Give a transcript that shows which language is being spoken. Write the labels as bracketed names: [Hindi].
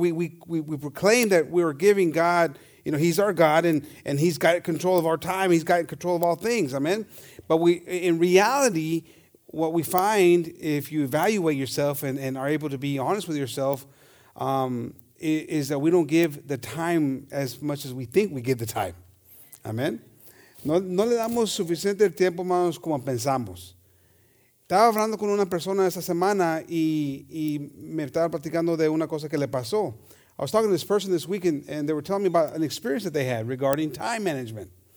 [English] We proclaim that we are giving God, you know, he's our God, and he's got control of our time. He's got control of all things, amen. But we, in reality, what we find, if you evaluate yourself and are able to be honest with yourself, is that we don't give the time as much as we think we give the time, amen. [Spanish] No le damos suficiente tiempo, hermanos, como pensamos. Estaba hablando con una persona esta semana y me estaba platicando de una cosa que le pasó. [English] I was talking to this person this week and they were telling me about an experience that they had regarding time management.